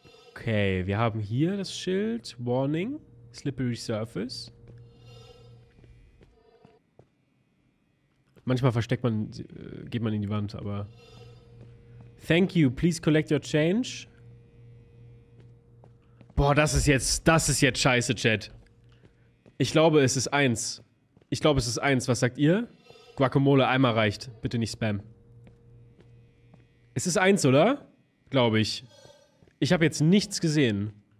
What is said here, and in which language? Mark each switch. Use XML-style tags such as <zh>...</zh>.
<de>Okay, wir haben hier das Schild.</de> <en>Warning. Slippery Surface.</en> <de>Manchmal versteckt man, geht man in die Wand, aber...</de> <en>Thank you, please collect your change.</en> <de>Boah, das ist jetzt scheiße, Chat. Ich glaube, es ist eins. Was sagt ihr? Guacamole, einmal reicht. Bitte nicht spam. Es ist eins, oder? Glaube ich. Ich habe jetzt nichts gesehen.</de>